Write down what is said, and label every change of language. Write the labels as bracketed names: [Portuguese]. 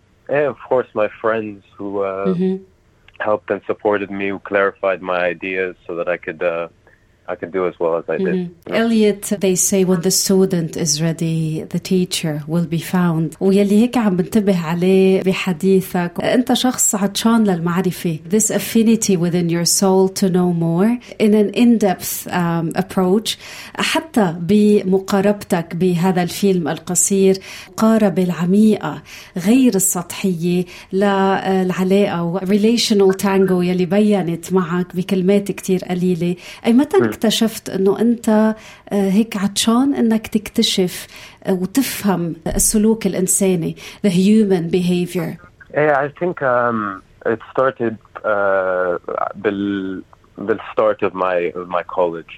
[English] Yeah, of course, my friends who helped and supported me, who clarified my ideas so that I could do as well as I did. Elliot, they say when the student is ready, the teacher will be found. [Arabic] ويلي هيك عم بنتبه عليه بحديثك. أنت شخص عطشان للمعرفة. [English] This affinity within your soul to know more in an in-depth approach. [Arabic] حتى بمقاربتك بهذا الفيلم القصير قارب العميقة غير السطحية للعلاقة [English] relational tango [Arabic] يلي بيّنت معك بكلمات كتير قليلة. أي متى اكتشفت انه انت هيك عطشان انك تكتشف وتفهم السلوك الانساني [English] the human behavior. Yeah, I think it started [Arabic] بال [English] start of my college.